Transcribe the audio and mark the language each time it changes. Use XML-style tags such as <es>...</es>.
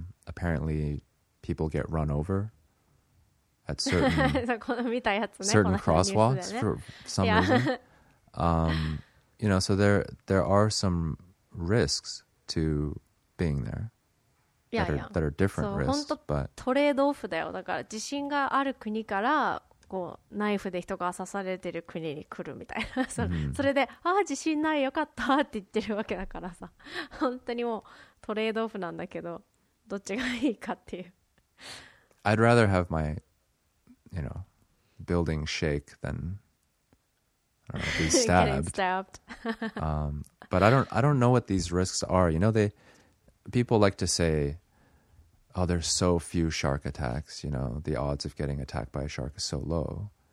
<en>Apparently, people get run over at certain crosswalks for some reason. You know, so there are some risks to being there. That are different risks,</en> <ja>そう、本当トレードオフだよ。だから地震がある国からこうナイフで人が刺されてる国に来るみたいな。それで、ああ地震ないよかったって言ってるわけだからさ、本当にもうトレードオフなんだけど、どっちがいいかっていう。</ja> <en>I'd rather have my, you know, building shake than be stabbed. But I don't know what these risks are. You know, they people like to say. Oh, there's so few shark attacks, you know, the odds of getting attacked by a shark is so low.</en>